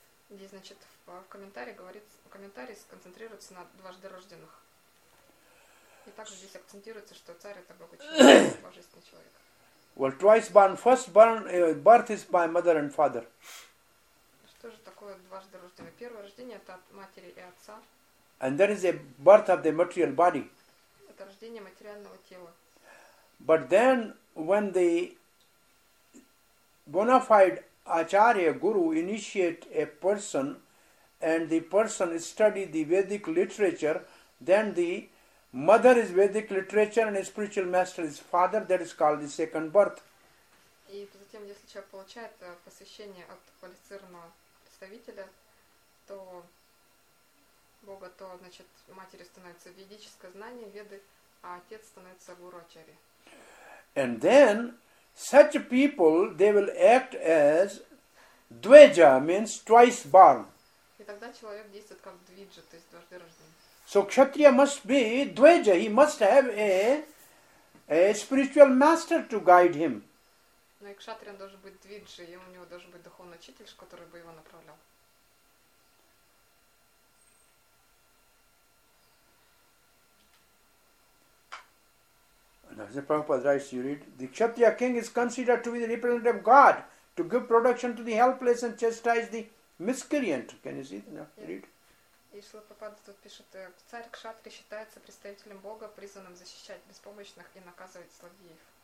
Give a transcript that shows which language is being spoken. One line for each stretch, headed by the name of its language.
Russian: Здесь, значит, в комментарии говорит, комментарий сконцентрируется на дважды рожденных. И также здесь акцентируется, что царь это богочеловек, божественный человек.
English: Well, twice born, first born, birth is by mother and father.
Russian: Что же такое дважды рожденное? Первое рождение это от матери и отца.
English: And there is a birth of the material body.
Russian: Это рождение материального тела.
English: But then, when the bona fide acharya, guru, initiate a person, and the person study the Vedic literature, then the mother is Vedic literature and a spiritual master is father, that is called the second birth.
Russian: И затем, если человек получает посвящение от квалифицированного представителя, то Бога, то, значит, матери становится ведическое знание, веды, а отец становится гуру-ачарья.
English: And then, such people, they will act as dveja, means twice born.
Russian: И тогда человек действует как двиджа, то есть дважды рожденный.
English: So kshatriya must be dveja, he must have a spiritual master to guide him.
Russian: Но и кшатрия должен быть двиджа, и у него должен быть духовный учитель, который бы его направлял.
English: As the Prabhupada writes, you read, the Kshatriya king is considered to be the representative of God to give protection to the helpless and chastise the miscreant. Can you see? No? Read.
Russian: И Шрила Прабхупада тут пишет, царь кшатри считается представителем Бога, призванным защищать беспомощных и наказывать злодеев.